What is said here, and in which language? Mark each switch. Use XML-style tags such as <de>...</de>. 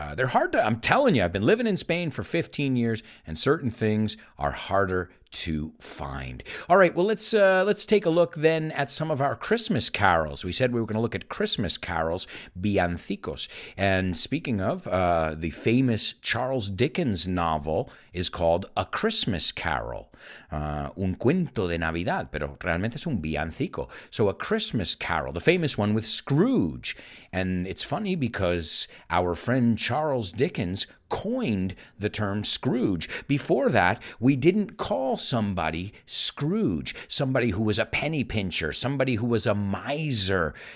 <en>They're hard to, I'm telling you, I've been living in Spain for 15 years and certain things are harder to find. All right, well, let's take a look then at some of our Christmas carols. We said we were going to look at Christmas carols, villancicos. And speaking of, the famous Charles Dickens novel is called A Christmas Carol.</en> <es>Un cuento de Navidad, pero realmente es un villancico.</es> <en>So A Christmas Carol, the famous one with Scrooge. And it's funny because our friend Charles Dickens coined the term Scrooge. Before that, we didn't call somebody Scrooge, somebody who was a penny pincher, somebody who was a miser.</en>